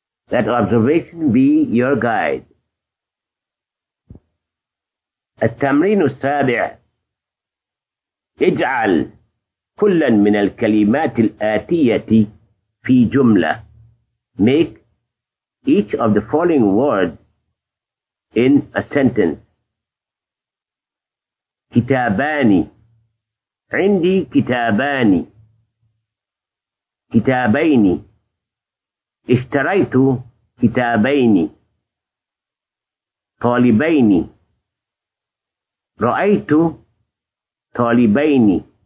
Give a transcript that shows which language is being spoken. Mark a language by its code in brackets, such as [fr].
[en] Let observation be your guide. [ar] التمرين السابع اجعل كل من الكلمات الآتية في جملة [en] Make each of the following words in a sentence. [ar] كتاباني عندي كتاباني كتابين اشتريت كتابين طالبين رأيت طالبين